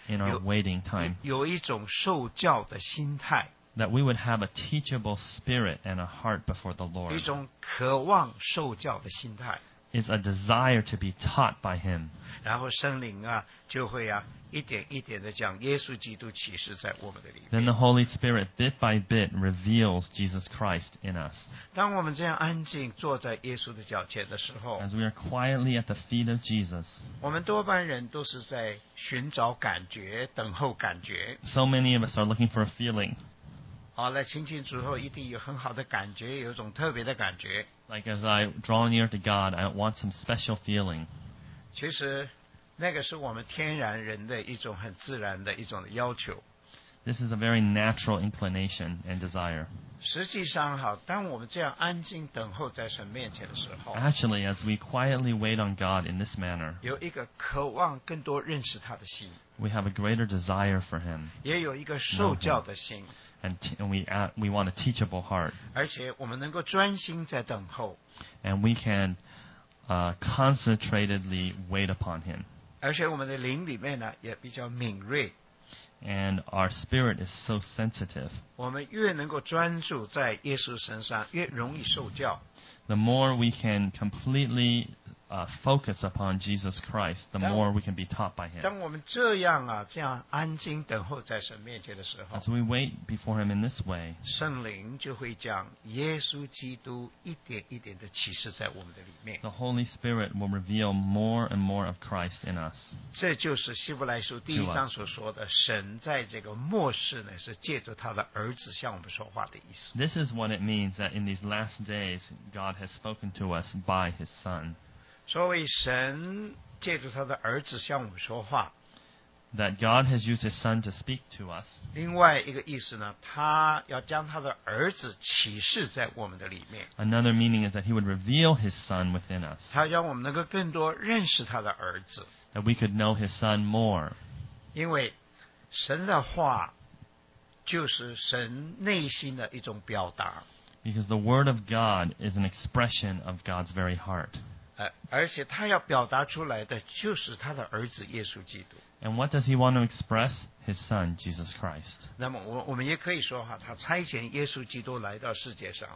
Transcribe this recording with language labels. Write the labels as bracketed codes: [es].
[en] in our waiting time, [zh] 有一种受教的心态 [en] that we would have a teachable spirit and a heart before the Lord. [zh] 一种渴望受教的心态 [en] is a desire to be taught by him. [zh] 然后圣灵啊就会啊一点一点的将耶稣基督启示在我们的里面。 [en] Then the Holy Spirit bit by bit reveals Jesus Christ in us. [zh] 当我们这样安静坐在耶稣的脚前的时候 [en] ，As we are quietly at the feet of Jesus， [zh] 我们多半人都是在寻找感觉，等候感觉。 [en] So many of us are looking for a feeling. [zh] 好，来亲近主后，一定有很好的感觉，有一种特别的感觉。 [en] Like as I draw near to God, I want some special feeling. [zh] 其实。那个是我们天然人的一种很自然的一种的要求。 [en] This is a very natural inclination and desire. [zh] 实际上哈，当我们这样安静等候在神面前的时候 [en] ，Actually, as we quietly wait on God in this manner, [zh] 有一个渴望更多认识他的心。 [en] We have a greater desire for Him. [zh] 也有一个受教的心。 [en] And we want a teachable heart. [zh] 而且我们能够专心在等候。 [en] And we can concentratedly wait upon Him. [zh] 而且我们的灵里面呢也比较敏锐 [en] and our spirit is so sensitive [zh] 我们越能够专注在耶稣身上越容易受教 [en] the more we can completely focus upon Jesus Christ the more we can be taught by him [zh] 当我们这样啊这样安静等候在神面前的时候 [en] as we wait before him in this way [zh] 圣灵就会将耶稣基督一点一点的启示在我们的里面 [en] the Holy Spirit will reveal more and more of Christ in us [zh] 这就是希伯来书第一章所说的神在这个末世呢是借着他的儿子向我们说话的意思 [en] this is what it means that in these last days God has spoken to us by his son [zh] 所谓神借着他的儿子向我们说话 [en] that God has used his son to speak to us [zh] 另外一个意思呢他要将他的儿子启示在我们的里面 [en] another meaning is that he would reveal his son within us [zh] 他让我们能够更多认识他的儿子 [en] that we could know his son more [zh] 因为神的话就是神内心的一种表达 [en] because the word of God is an expression of God's very heart [zh] 而且他要表达出来的就是他的儿子耶稣基督。 [en] And what does he want to express? His son, Jesus Christ. [zh] 那么我们也可以说哈，他差遣耶稣基督来到世界上。